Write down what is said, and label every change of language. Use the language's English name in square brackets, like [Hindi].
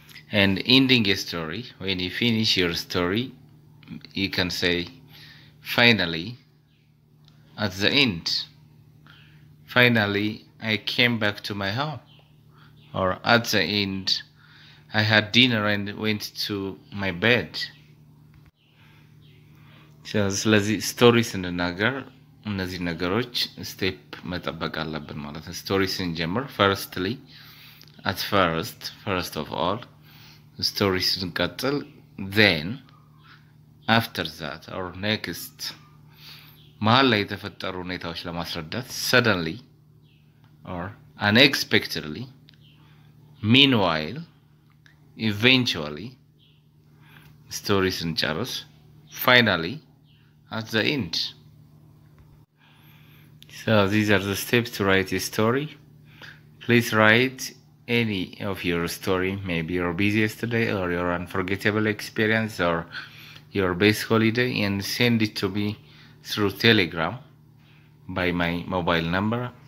[English] And ending a story, when you finish your story, you can say finally, at the end. Finally, I came back to my home. Or at the end, I had dinner and went to my bed. So stories in the Nagar. [Amharic] እነዚህ ነገሮች ስቴፕ መጠበቅ አለብን ማለት ነው። [English] ስቶሪ ስንጀምር ፈርስትሊ አት ፈርስት ፈርስት ኦፍ ኦል ስቶሪ ስንቀጥል ዜን አፍተር ዛት ኦር ኔክስት [Amharic] መሀል ላይ የተፈጠሩ ሁኔታዎች ለማስረዳት [English] ሰደንሊ ኦር አንኤክስፔክትድሊ ሚንዋይል ኢቨንቹዋሊ ስቶሪ ስንጨርስ ፋይናሊ አት ዘ ኢንድ. So these are the steps to write a story. Please write any of your story, maybe your busiest day or your unforgettable experience or your best holiday, and send it to me through Telegram by my mobile number.